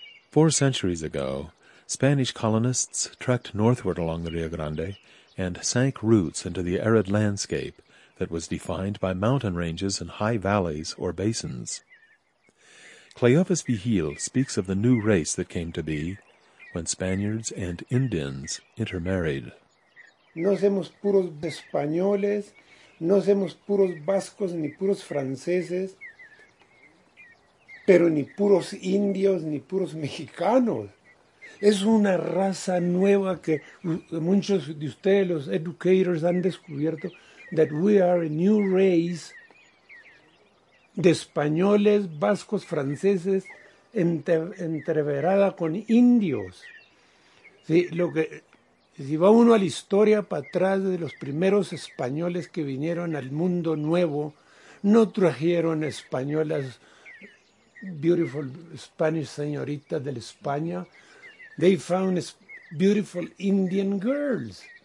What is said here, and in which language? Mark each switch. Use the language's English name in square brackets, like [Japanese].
[English] Four centuries ago, Spanish colonists trekked northward along the Rio Grande and sank roots into the arid landscape that was defined by mountain ranges and high valleys or basins. Cleofas Vigil speaks of the new race that came to be when Spaniards and Indians intermarried. [Spanish] No somos puros españoles, no somos puros vascos, ni puros franceses, pero ni puros indios, ni puros mexicanos. Es una raza nueva que muchos de ustedes, los educators, han descubierto, [English] that we are a new race [Spanish] de españoles, vascos, franceses, entreverada con indios. Sí, lo que, si va uno a la historia para atrás de los primeros españoles que vinieron al mundo nuevo, no trajeron españolas, [English] beautiful Spanish [Spanish] señoritas de España. [English] They found beautiful Indian girls.